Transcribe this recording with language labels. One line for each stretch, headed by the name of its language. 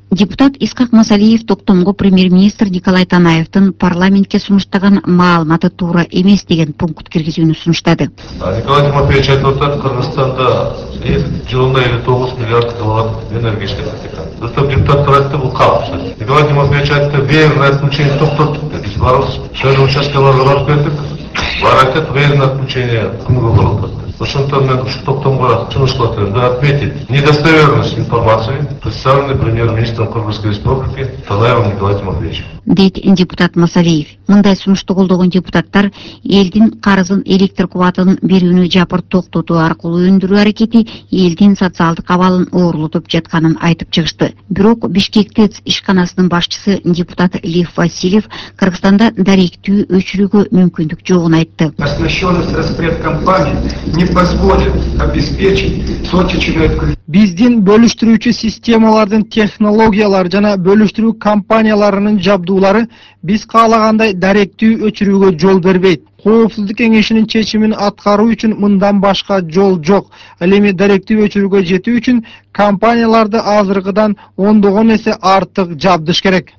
Kyrgyz: Депутат Искак Масалиев токтомго премьер-министр Николай Танаевдин парламентке сунуштаган маалыматы туура эмес деген пункт киргизүүнү сунуштады. Николай Тимофеевич айтып атат, Кыргызстанда жылына 59 миллиард доллар энергия иштетет экен. Достор депутаттар айтты, бул калп. Николай Тимофеевич айтты, ВЭРдин отключение токтоттук деп. Биз барыбыз шайлоо участкаларга барып келдик, алар айтат, ВЭРдин отключение күнгө болот деп. Ошондуктан мен ушул токтомго сунуш кылат элем да
Russian: отметить недостоверность информации, представленной премьер-министром Кыргызской Республики Талаевым Николаем Тимофеевичем.
Kyrgyz: Дейт депутат Масалиев. Мындай сунушту колдогон депутаттар элдин карызын электр кубатын берүүнү жапыр токтотуу аркылуу өндүрүү аракети элдин социалдык абалын оорлотуп жатканын айтып чыгышты. Бирок Бишкек ТЭЦ ишканасынын башчысы депутат Лев Васильев Кыргызстанда даректүү өчүрүүгө мүмкүндүк жогун айтты.
Russian: Оснащенность распредкомпании не позволит обеспечить точечный отключ.
Kyrgyz: Биздин бөлүштүрүүчү системалардын технологиялары жана бөлүштүрүү компанияларынын жабдуулары биз каалагандай даректүү өчүрүүгө жол бербейт. Коопсуздук кеңешинин чечимин аткаруу үчүн мындан башка жол жок. Ал эми даректүү өчүрүүгө жетүү үчүн компанияларды азыркыдан ондогон эсе артык жабдыш керек.